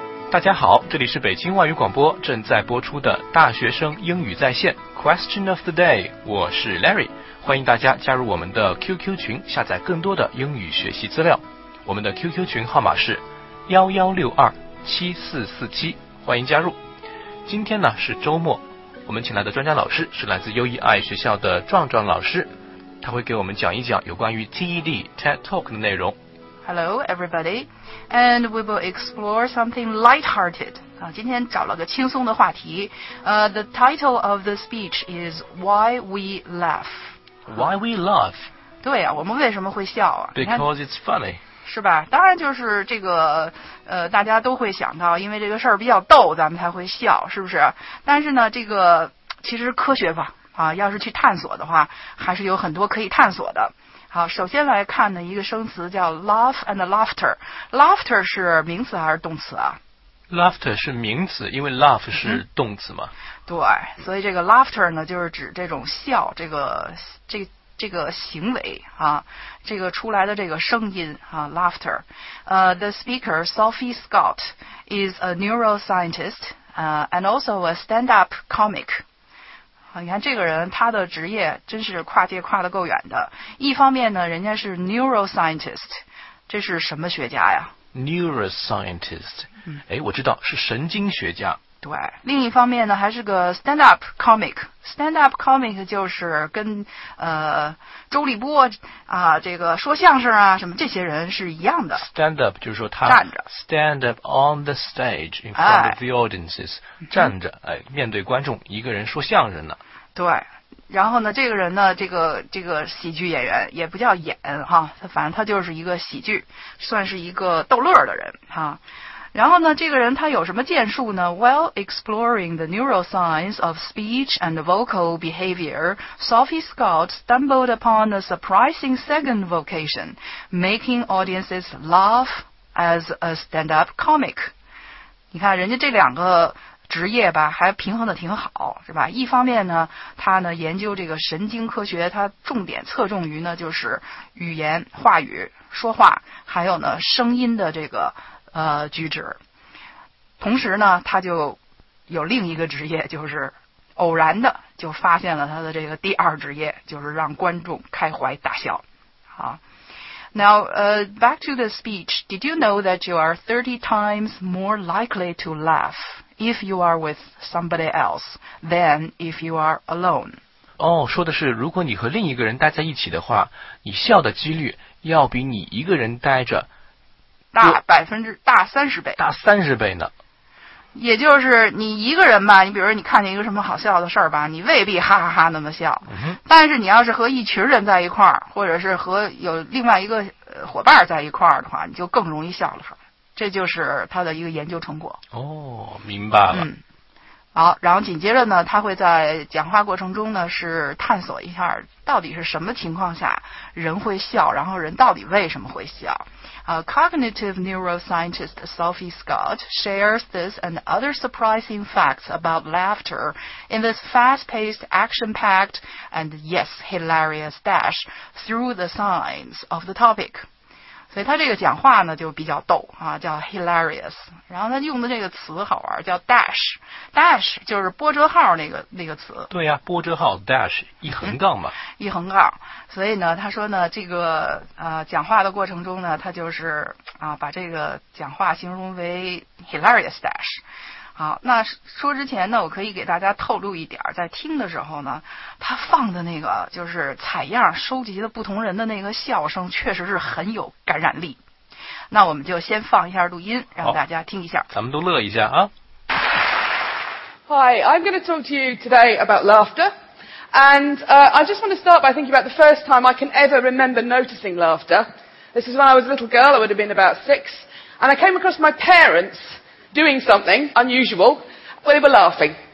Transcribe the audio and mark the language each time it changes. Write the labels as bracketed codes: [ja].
[zh] 大家好，这里是北京外语广播正在播出的大学生英语在线 Question of the Day， 我是 Larry， 欢迎大家加入我们的 QQ 群，下载更多的英语学习资料。我们的 QQ 群号码是116274477，欢迎加入。今天呢是周末，我们请来的专家老师是来自 UEI 学校的壮壮老师，他会给我们讲一讲有关于 TED TED Talk 的内容。 [en] Hello, everybody, and we will explore something lighthearted. [zh] 今天找了个轻松的话题。 [en] The title of the speech is Why We Laugh. Why We Laugh. [zh] 对啊，我们为什么会笑啊？ [en] Because it's funny. [zh] 是吧？当然就是这个，大家都会想到，因为这个事儿比较逗，咱们才会笑，是不是？但是呢，这个其实科学吧，要是去探索的话，还是有很多可以探索的。好，首先来看呢，一个生词叫 laugh and laughter。 laughter 是名词还是动词啊？laughter 是名词，因为 laugh 是动词嘛。对，所以这个 laughter 呢，就是指这种笑，这个行为啊，这个出来的这个声音啊 ，laughter。 [en] The speaker Sophie Scott is a neuroscientist, and also a stand-up comic. [zh] 你看这个人他的职业真是跨界跨得够远的。一方面呢，人家是 neuroscientist， 这是什么学家呀？ neuroscientist， 哎，我知道是神经学家。对，另一方面呢，还是个 stand-up comic。stand-up comic 就是跟周立波啊、这个说相声啊什么这些人是一样的。 stand-up 就是说他站着， [en] stand-up on the stage in front of the audiences、 [zh] 站着，哎，面对观众一个人说相声呢。对，然后呢，这个人呢，这个喜剧演员也不叫演哈，反正他就是一个喜剧，算是一个逗乐的人哈。然后呢，这个人他有什么建树呢？ [en] While exploring the neuroscience of speech and vocal behavior, Sophie Scott stumbled upon a surprising second vocation, making audiences laugh as a stand-up comic. [zh] 你看人家这两个职业吧，还平衡的挺好，是吧？一方面呢，他呢研究这个神经科学，他重点侧重于呢就是语言、话语、说话，还有呢声音的这个举止。同时呢，他就有另一个职业，就是偶然的就发现了他的这个第二职业，就是让观众开怀大笑。 [en] 好， Now, back to the speech. Did you know that you are 30 times more likely to laugh if you are with somebody else than if you are alone? [zh] 哦，说的是如果你和另一个人待在一起的话，你笑的几率要比你一个人待着大百分之大三十倍，大三十倍呢。也就是你一个人吧，你比如说你看见一个什么好笑的事儿吧，你未必哈哈哈那么笑。但是你要是和一群人在一块儿，或者是和有另外一个伙伴在一块儿的话，你就更容易笑了。这就是他的一个研究成果。哦，明白了。好，然后紧接着呢，他会在讲话过程中呢，是探索一下到底是什么情况下人会笑，然后人到底为什么会笑。 Cognitive neuroscientist Sophie Scott shares this and other surprising facts about laughter in this fast-paced, action-packed, and yes, hilarious dash through the science of the topic. 所以他这个讲话呢就比较逗啊，叫 hilarious。然后他用的这个词好玩，叫 dash。dash 就是波折号那个词。对呀、波折号 dash 一横杠嘛。一横杠。所以呢他说呢这个讲话的过程中呢他就是把这个讲话形容为 hilarious dash。好，那说之前呢我可以给大家透露一点，在听的时候呢他放的那个就是采样收集的不同人的那个笑声确实是很有感染力。那我们就先放一下录音让大家听一下。咱们都乐一下啊。 [en] Hi, I'm going to talk to you today about laughter. And I just want to start by thinking about the first time I can ever remember noticing laughter. This is when I was a little girl, I would have been about 6. And I came across my parents doing something unusual. Well, they were laughing.